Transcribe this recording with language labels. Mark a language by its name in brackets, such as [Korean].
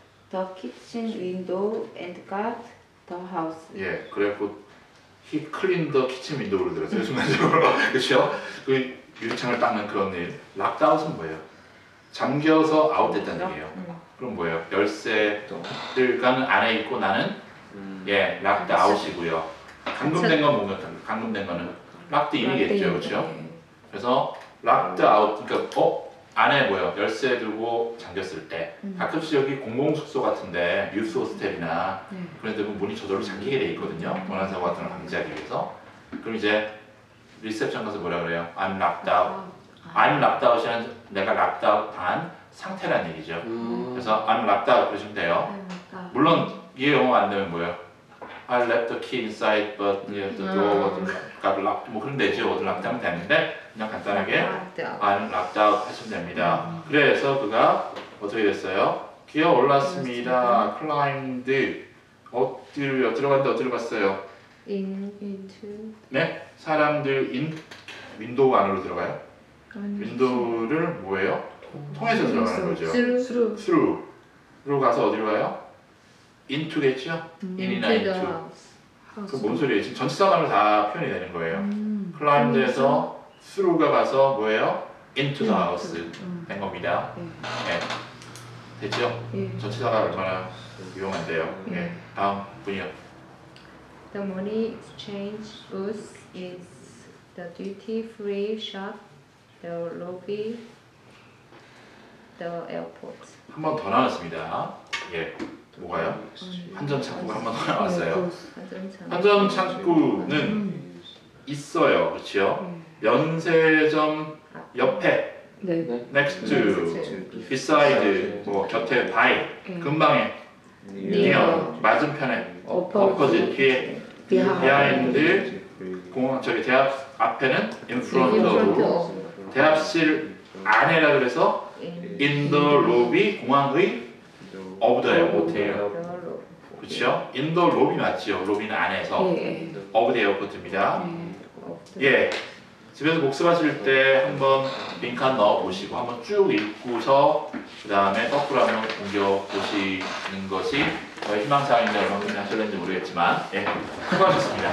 [English] the kitchen window and got the house. [Korean] 예, 그래서 [English] he cleaned the kitchen window [Korean] 를 들었어요. 순간적으로. 그렇죠? 그 유리창을 닦는 그런 일. Locked out은 뭐예요? 잠겨서 아웃됐다는 얘기예요. 그럼 뭐예요? 열쇠들과는 안에 있고 나는 예, locked out이고요. 감금된 건 뭔가 다른 거. 감금된 거는 locked in이겠죠, 그렇죠? 그래서 locked out, 그러니까 안에 뭐예요? 열쇠 들고 잠겼을 때 가끔씩 여기 공공숙소 같은데 뉴스 호스텔이나 그런 데 보면 문이 저절로 잠기게 돼 있거든요. 원한 사고 같은 걸 방지하기 위해서. 그럼 이제 리셉션 가서 뭐라 그래요? [English] I'm locked out. I'm locked out [Korean] 이란 내가 locked out 당한 상태란 얘기죠. 그래서 [English] I'm locked out [Korean] 그러시면 돼요. 물론 이게 영어 안 되면 뭐예요? [English] I left the key inside but the door got locked. [Korean] 뭐 그런 데지 오늘 locked 하면 되는데 그냥 간단하게 [English] I'm locked out [Korean] 하시면 됩니다. 그래서 그가 어떻게 됐어요? 기어 올랐습니다. climbed 어디로 들어갔는데 어디로 갔어요? [English] into [Korean] 네? 사람들 in 윈도우 안으로 들어가요? 윈도우를 뭐예요? 통해서 들어가는 거죠. [English] through로 [Korean] 가서 어디로 가요? into겠죠? [English] in이나 into. [Korean] 그 뭔 소리예요? 지금 전체 상황을 다 표현이 되는 거예요. climbed에서 through가 가서 뭐예요? [English] into the house [Korean] 된 겁니다. 예. 네. 됐죠? 전체 상황을 얼마나 유용한데요. 예. 네. 다음 분이요. [English] The money exchange booth is the duty free shop. The lobby, the airport. [Korean] 한 번 더 나왔습니다. 예, 뭐가요? 환전 창구가 한 번 더 나왔어요. 환전 창구는 있어요, 그렇죠? 면세점 옆에, 네. [English] next to, beside, [Korean] 뭐 곁에, [English] by, [Korean] 근방에, [English] near, [Korean] 맞은편에, [English] opposite, [Korean] 뒤에, [English] behind, [Korean] 공항, 저기 대학 앞에는 in front of. 대합실 안에라 그래서 [English] in the lobby [Korean] 공항의 [English] of the airport [Korean] 그렇죠? in the lobby 맞죠? 로비는 안에서 [English] of the airport [Korean] 입니다. 예, 집에서 복습하실 때 한번 링크 한 넣어보시고 한번 쭉 읽고서 그 다음에 거꾸로 한번 옮겨보시는 것이 저희 희망사항인데 얼마나 하실는지 모르겠지만 예, 수고하셨습니다.